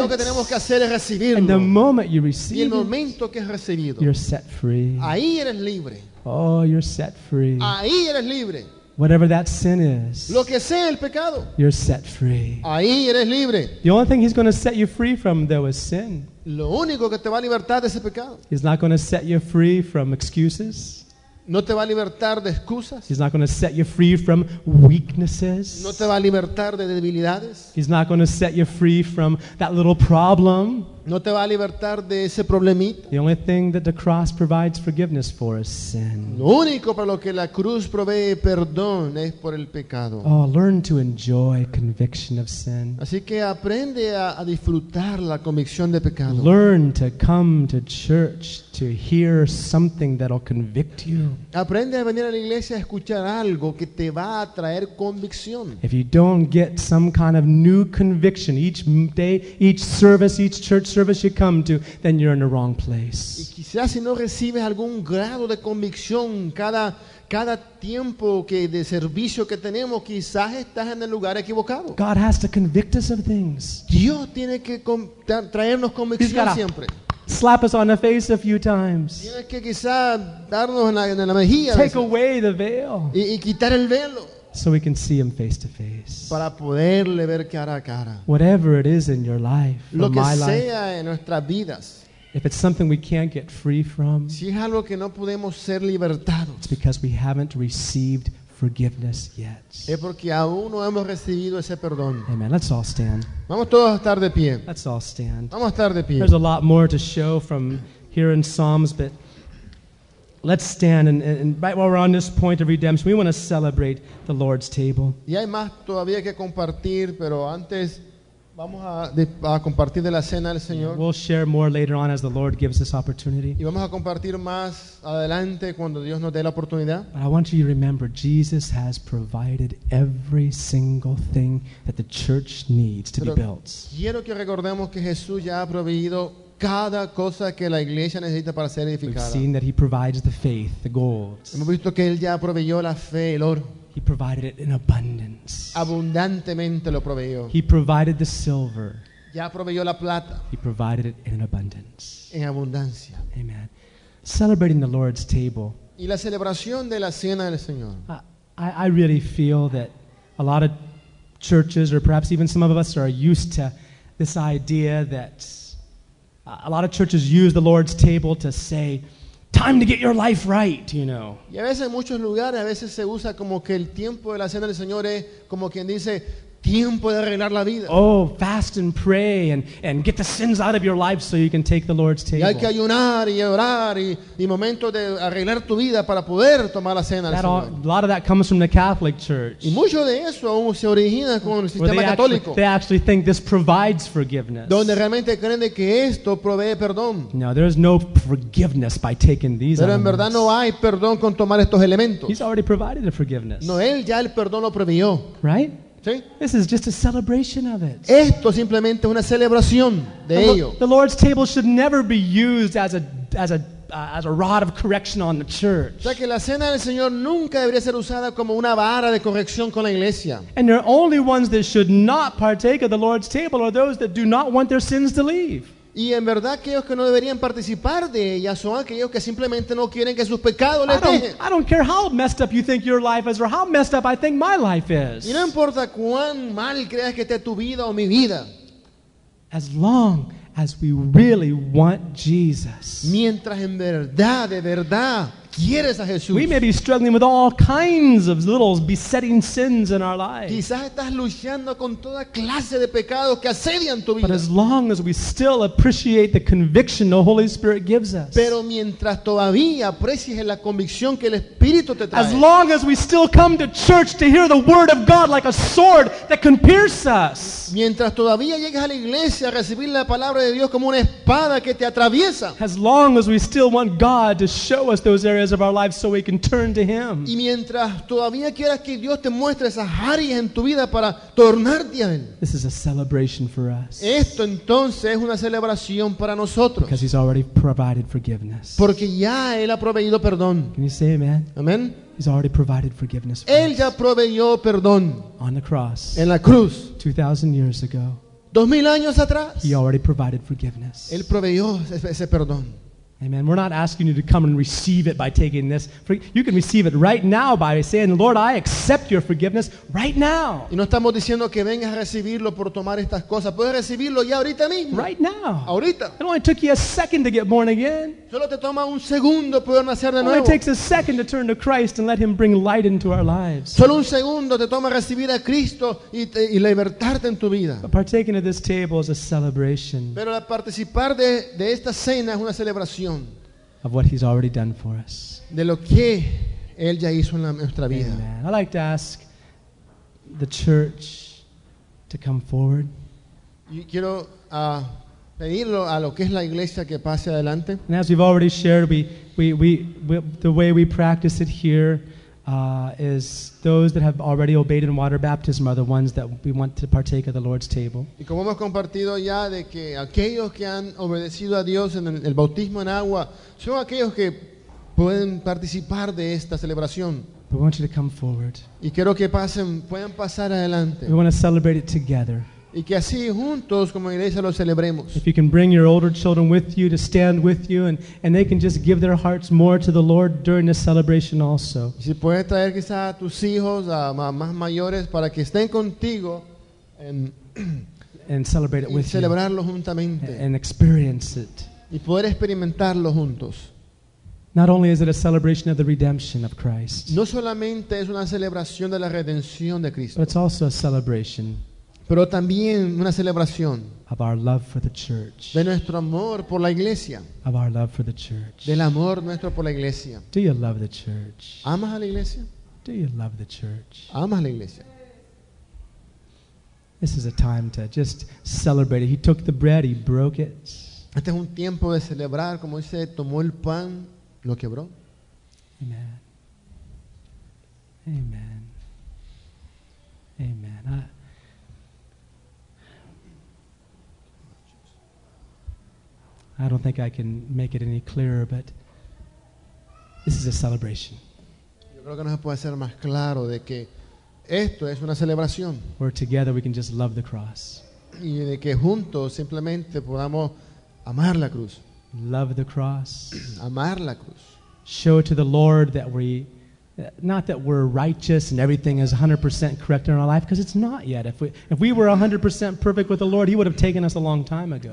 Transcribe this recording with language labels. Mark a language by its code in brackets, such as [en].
[es] Lo que tenemos que hacer es recibirlo. [en] And the moment you receive [es] y el momento que has recibido, [en] you're set free. [es] Ahí eres libre. [en] Oh, you're set free. [es] Ahí eres libre. [en] Whatever that sin is, [es] lo que sea el pecado, [en] you're set free. [es] Ahí eres libre. [en] The only thing he's going to set you free from, though, is sin. [es] Lo único que te va a libertar de ese pecado. [en] He's not going to set you free from excuses. [es] No te va a libertar de excusas. [en] He's not going to set you free from weaknesses. [es] No te va a libertar de debilidades. [en] He's not going to set you free from that little problem. [es] No te va a libertar de ese problemita. [en] The only thing that the cross provides forgiveness for is sin. [es] Lo único para lo que la cruz provee perdón es por el pecado. [en] Oh, learn to enjoy conviction of sin. [es] Así que aprende a disfrutar la convicción de pecado. [en] Learn to come to church to hear something that'll convict you. [es] Aprende a venir a la iglesia a escuchar algo que te va a traer convicción. [en] If you don't get some kind of new conviction each day, each service, each church service you come to, then you're in the wrong place. [es] Y quizás si no recibes algún grado de convicción cada tiempo que de servicio que tenemos, quizás estás en el lugar equivocado. [en] God has to convict us of things. [es] Dios tiene que traernos convicción siempre. [en] Slap us on the face a few times. [es] Tiene que quizás darnos en la mejilla. [en] Take away the veil. [es] Y quitar el velo. [en] So we can see him face to face. [es] Para poderle ver cara a cara. [en] Whatever it is in your life, [es] lo que [en] my [es] sea [en] life, [es] en nuestras vidas, [en] if it's something we can't get free from, [es] si es algo que no podemos ser libertados, [en] it's because we haven't received forgiveness yet. [es] Es porque aún no hemos recibido ese perdón. [en] Amen. Let's all stand. [es] Vamos todos a estar de pie. [en] Let's all stand. [es] Vamos a estar de pie. [en] There's a lot more to show from here in Psalms, but let's stand, and right while we're on this point of redemption, we want to celebrate the Lord's table. [es] Y hay más todavía que compartir, pero antes vamos a compartir de la cena del Señor. [en] We'll share more later on as the Lord gives us opportunity. [es] Y vamos a compartir más adelante cuando Dios nos dé la oportunidad. [en] But I want you to remember, Jesus has provided every single thing that the church needs to [es] pero [en] be built. [es] Quiero que recordemos que Jesús ya ha proveído cada cosa que la iglesia necesita para ser edificada. [en] We've seen that he provides the faith, the gold. [es] Hemos visto que él ya proveyó la fe, el oro. [en] He provided it in abundance. [es] Abundantemente lo proveyó. [en] He provided the silver. [es] Ya proveyó la plata. [en] He provided it in abundance. [es] En abundancia. [en] Amen. Celebrating the Lord's table. [es] Y la celebración de la cena del Señor. [en] I really feel that a lot of churches, or perhaps even some of us, are used to this idea that a lot of churches use the Lord's table to say, time to get your life right, you know. [es] Y a veces en muchos lugares a veces se usa como que el tiempo de la cena del Señor es como quien dice, tiempo de arreglar la vida. [en] Oh, fast and pray and get the sins out of your life so you can take the Lord's table. [es] Y hay que ayunar y orar y momento de arreglar tu vida para poder tomar la cena del Señor. [en] A lot of that comes from the Catholic Church. [es] Y mucho de eso aún se origina con el sistema católico. [en] They actually think this provides forgiveness. [es] Donde realmente creen de que esto provee perdón. [en] No, there is no forgiveness by taking these [es] pero Pero en verdad no hay perdón con tomar estos elementos. [en] He's already provided the forgiveness. [es] No, él ya el perdón lo previó. [en] Right? See? This is just a celebration of it. [es] Esto simplemente una celebración de ello. [en] The Lord's table should never be used as a rod of correction on the church. [es] O sea que la cena del Señor nunca debería ser usada como una vara de corrección con la iglesia. [en] And the only ones that should not partake of the Lord's table are those that do not want their sins to leave. [es] Y en verdad aquellos que no deberían participar de ella son aquellos que simplemente no quieren que sus pecados les dejen. [en] I don't care how messed up you think your life is or how messed up I think my life is. [es] Y no importa cuán mal creas que esté tu vida o mi vida. [en] As long as we really want Jesus. [es] Mientras en verdad, de verdad, quieres a Jesús. [en] We may be struggling with all kinds of little besetting sins in our lives. [es] Quizás estás luchando con toda clase de pecados que asedian tu vida. [en] But as long as we still appreciate the conviction the Holy Spirit gives us. [es] Pero mientras todavía aprecies la convicción que el Espíritu te trae. [en] As long as we still come to church to hear the word of God like a sword that can pierce us. [es] Mientras todavía llegas a la iglesia a recibir la palabra de Dios como una espada que te atraviesa. [en] As long as we still want God to show us those areas of our lives so we can turn to him. [es] Y mientras todavía quieras que Dios te muestre esas áreas en tu vida para tornarte a él. [en] This is a celebration for us. [es] Esto entonces es una celebración para nosotros. [en] Because he's already provided forgiveness. [es] Porque ya él ha proveído perdón. [en] Can you say amen? Amen. He's already provided forgiveness for [es] él ya proveyó perdón. [en] On the cross. [es] En la cruz. [en] 2,000 years ago. [es] 2,000 años atrás. [en] He already provided forgiveness. [es] Él proveyó ese perdón. [en] Amen. We're not asking you to come and receive it by taking this. You can receive it right now by saying, Lord, I accept your forgiveness right now. [es] Y no estamos diciendo que vengas a recibirlo por tomar estas cosas. Puedes recibirlo ya ahorita mismo. [en] Right now. [es] Ahorita. [en] It only took you a second to get born again. [es] Solo te toma un segundo poder nacer de nuevo. [en] It only takes a second to turn to Christ and let him bring light into our lives. [es] Solo un segundo te toma recibir a Cristo y libertarte en tu vida. [en] But partaking of this table is a celebration. [es] Pero participar de esta cena es una celebración. [en] Of what he's already done for us. [es] De lo que él ya hizo en la nuestra vida. [en] Amen. I'd like to ask the church to come forward. [es] Yo quiero pedirlo a lo que es la iglesia que pase adelante. [en] And as we've already shared, we the way we practice it here is those that have already obeyed in water baptism are the ones that we want to partake of the Lord's table. [es] Y como hemos compartido ya de que aquellos que han obedecido a Dios en el bautismo en agua son aquellos que pueden participar de esta celebración. [en] We want you to come forward. [es] Y quiero que pasen, puedan pasar adelante. [en] We want to celebrate it together. [es] Y que así juntos como iglesia lo celebremos. [en] If you can bring your older children with you to stand with you and they can just give their hearts more to the Lord during this celebration also. [es] Y si puedes traer quizá a tus hijos a más mayores para que estén contigo [en] and celebrate it with [es] celebrarlo [en] you [es] juntamente [en] and experience it. [es] Y poder experimentarlo juntos. [en] Not only is it a celebration of the redemption of Christ. [es] No solamente es una celebración de la redención de Cristo. [en] But it's also a celebration. [es] Pero también una celebración [en] of our love for the church. [es] De nuestro amor por la iglesia. [en] Of our love for the church. [es] Del amor nuestro por la iglesia. [en] Do you love the church? [es] ¿Amas a la iglesia? [en] Do you love the church? [es] ¿Amas a la iglesia? [en] This is a time to just celebrate it. He took the bread, he broke it. [es] Este es un tiempo de celebrar, como dice, tomó el pan, lo quebró. [en] Amen. Amen. Amen. I don't think I can make it any clearer, but this is a celebration. [es] Yo creo que no se puede ser más claro de que esto es una celebración. [en] Where together we can just love the cross. [es] Y de que juntos simplemente podamos amar la cruz. [en] Love the cross. [es] Amar la cruz. [en] Show to the Lord that we, not that we're righteous and everything is 100% correct in our life, because it's not yet. If we were 100% perfect with the Lord, he would have taken us a long time ago.